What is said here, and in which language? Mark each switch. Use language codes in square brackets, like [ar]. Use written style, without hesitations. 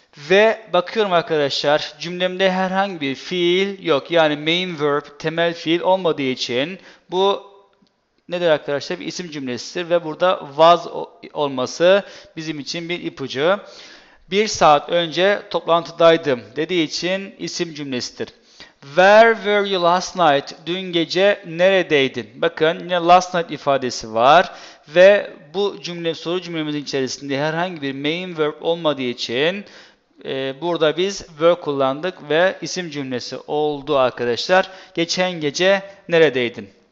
[tr] Ve bakıyorum arkadaşlar, cümlemde herhangi bir fiil yok. Yani main verb, temel fiil olmadığı için bu nedir arkadaşlar? Bir isim cümlesidir ve burada was olması bizim için bir ipucu. Bir saat önce toplantıdaydım dediği için isim cümlesidir. [en] Where were you last night? [tr] Dün gece neredeydin? Bakın yine last night ifadesi var. Ve bu cümle soru cümlemizin içerisinde herhangi bir main verb olmadığı için burada biz were kullandık ve isim cümlesi oldu arkadaşlar. Geçen gece neredeydin?